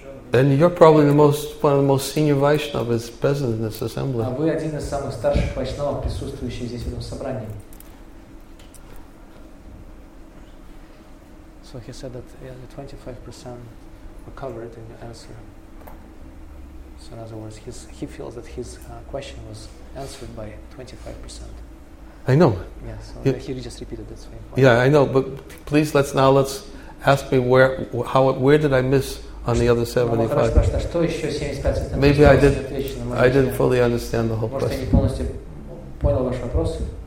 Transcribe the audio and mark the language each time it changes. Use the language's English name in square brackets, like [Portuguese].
[English] then you're probably the most one of the most senior Vaishnavas present in this assembly. [Russian] А вы один из самых старших Вайшнавов, присутствующих здесь в этом собрании. [English] So he said that yeah, the 25% were covered in your answer. So in other words, he feels that his question was answered by 25%. I know. Yes. Yeah, so he just repeated that same point. Yeah, I know. But please, let's ask me where did I miss on the other 75? Maybe I didn't fully understand the whole question. [Russian] Может, я не полностью понял ваш вопрос?